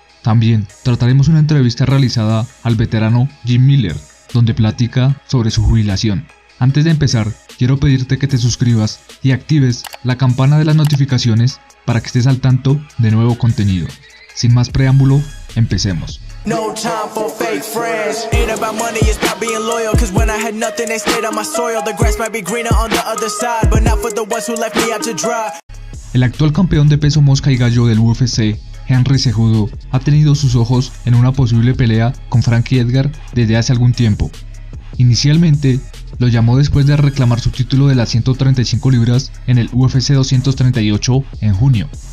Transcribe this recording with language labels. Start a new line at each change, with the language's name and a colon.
Spanish: También trataremos una entrevista realizada al veterano Jim Miller, donde platica sobre su jubilación. Antes de empezar, quiero pedirte que te suscribas y actives la campana de las notificaciones para que estés al tanto de nuevo contenido. Sin más preámbulo, empecemos.
English: No time for fake friends. Ain't about money, it's about being loyal. Cause when I had nothing, they stayed on my soil. The grass might be greener on the other side, but not for the ones who left me out to dry.
Spanish: El actual campeón de peso mosca y gallo del UFC, Henry Cejudo, ha tenido sus ojos en una posible pelea con Frankie Edgar desde hace algún tiempo. Inicialmente, lo llamó después de reclamar su título de las 135 libras en el UFC 238 en junio.